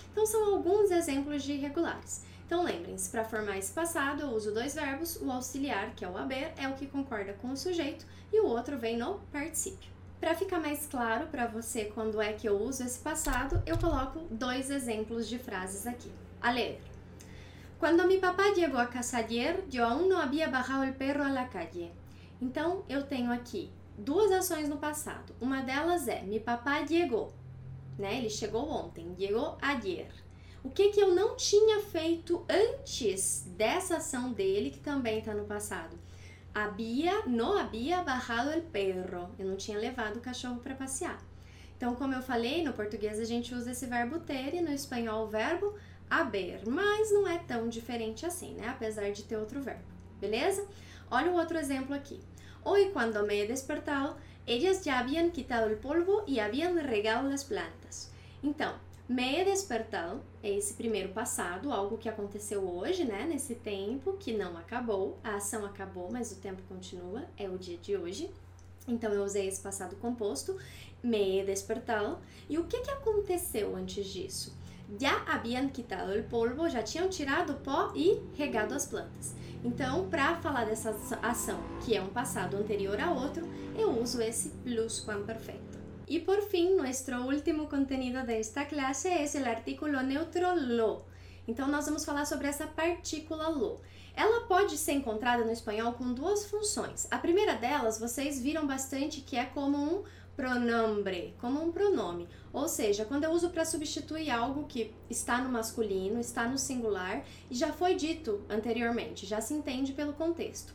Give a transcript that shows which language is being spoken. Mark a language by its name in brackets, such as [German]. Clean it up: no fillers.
[Portuguese] Então, são alguns exemplos de irregulares. Então, lembrem-se, para formar esse passado, eu uso dois verbos, o auxiliar, que é o haber, é o que concorda com o sujeito, e o outro vem no particípio. Para ficar mais claro para você quando é que eu uso esse passado, eu coloco dois exemplos de frases aqui. A ler. [Spanish] Cuando mi papá llegó a casa ayer, yo aún no había bajado el perro a la calle. [Portuguese] Então, eu tenho aqui duas ações no passado. Uma delas é, [Spanish] mi papá llegó, [Portuguese] né? Ele chegou ontem, [Spanish] llegó ayer. [Portuguese] O que que eu não tinha feito antes dessa ação dele, que também está no passado? [Spanish] No había bajado el perro. [Portuguese] Eu não tinha levado o cachorro para passear. Então, como eu falei, no português a gente usa esse verbo ter e no espanhol o verbo haber. Mas não é tão diferente assim, né? Apesar de ter outro verbo. Beleza? Olha o outro exemplo aqui. [Spanish] Hoy, cuando me he despertado, ellas ya habían quitado el polvo y habían regado las plantas. [Portuguese] Então, [Spanish] me he despertado, [Portuguese] é esse primeiro passado, algo que aconteceu hoje, né, nesse tempo, que não acabou, a ação acabou, mas o tempo continua, é o dia de hoje. Então, eu usei esse passado composto, [Spanish] me he despertado. [Portuguese] E o que que aconteceu antes disso? [Spanish] Ya habían quitado el polvo, [Portuguese] já tinham tirado o pó e regado as plantas. Então, para falar dessa ação, que é um passado anterior a outro, eu uso esse pluscuamperfecto. [Spanish] Y por fin, nuestro último contenido de esta clase es el artículo neutro lo. [Portuguese] Então, nós vamos falar sobre essa partícula lo. Ela pode ser encontrada no espanhol com duas funções. A primeira delas, vocês viram bastante que é como um pronombre, como um pronome. Ou seja, quando eu uso para substituir algo que está no masculino, está no singular, e já foi dito anteriormente, já se entende pelo contexto.